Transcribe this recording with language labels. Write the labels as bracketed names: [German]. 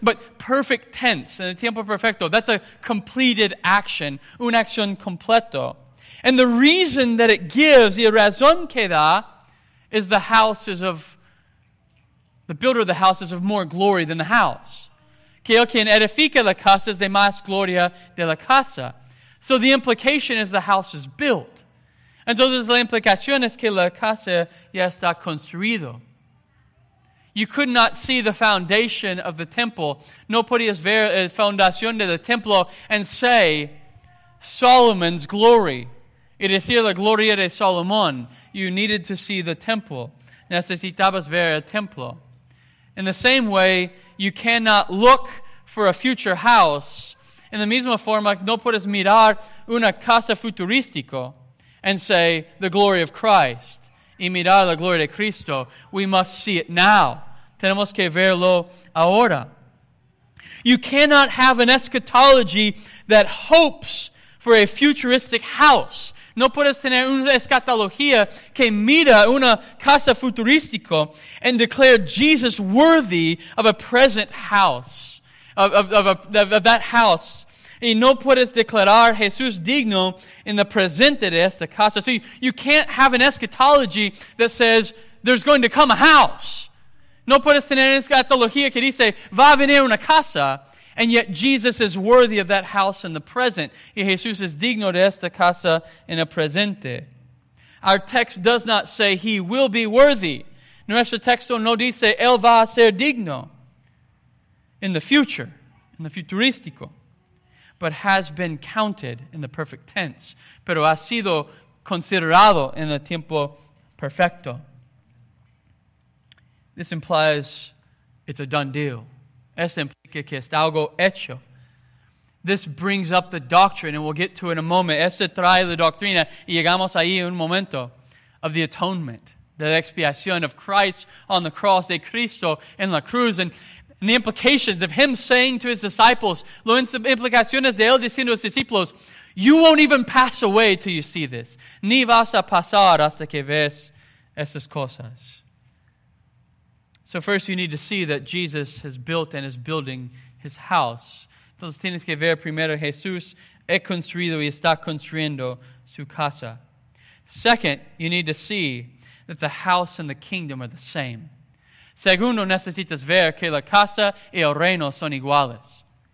[English] But perfect tense, [Spanish] en el tiempo perfecto, [English] that's a completed action, [Spanish] una acción completo. [English] And the reason that it gives, [Spanish] y razón que da, [English] is the house is of, the builder of the house is of more glory than the house. [Spanish] Que el quien edifica la casa es de más gloria de la casa. [English] So the implication is the house is built. [Spanish] Entonces la implicación es que la casa ya está construido. [English] You could not see the foundation of the temple. [Spanish] No podías ver la fundación del templo [English] and say, Solomon's glory. [Spanish] Y decir la gloria de Salomón. [English] You needed to see the temple. [Spanish] Necesitabas ver el templo. [English] In the same way, you cannot look for a future house. [Spanish] In the misma forma, no puedes mirar una casa futurística [English] and say, the glory of Christ. [Spanish] Y mirar la gloria de Cristo. [English] We must see it now. [Spanish] Tenemos que verlo ahora. [English] You cannot have an eschatology that hopes for a futuristic house. [Spanish] No puedes tener una escatología que mira una casa futurística [English] and declare Jesus worthy of a present house. of that house. [Spanish] Y no puedes declarar Jesús digno en la presente de esta casa. [English] So you can't have an eschatology that says there's going to come a house. [Spanish] No puedes tener eschatología que dice va a venir una casa. [English] And yet Jesus is worthy of that house in the present. [Spanish] Y Jesús es digno de esta casa en el presente. [English] Our text does not say he will be worthy. [Spanish] Nuestro texto no dice él va a ser digno [English] in the future, in the futurístico, but has been counted in the perfect tense. [Spanish] Pero ha sido considerado en el tiempo perfecto. [English] This implies it's a done deal. [Spanish] Esto implica que está algo hecho. [English] This brings up the doctrine, and we'll get to it in a moment. [Spanish] Esto trae la doctrina, y llegamos ahí en un momento, [English] of the atonement, the expiación of Christ on the cross, [Spanish] de Cristo en la cruz, [English] and the implications of him saying to his disciples, [Spanish] lo implicaciones de él diciendo a sus discípulos, [English] you won't even pass away till you see this. [Spanish] Ni vas a pasar hasta que ves esas cosas. [English] So first you need to see that Jesus has built and is building his house. [Spanish] Entonces tienes que ver primero Jesús ha construido y está construyendo su casa. [English] Second, you need to see that the house and the kingdom are the same. [Spanish] Segundo, necesitas ver que la casa y el reino son iguales.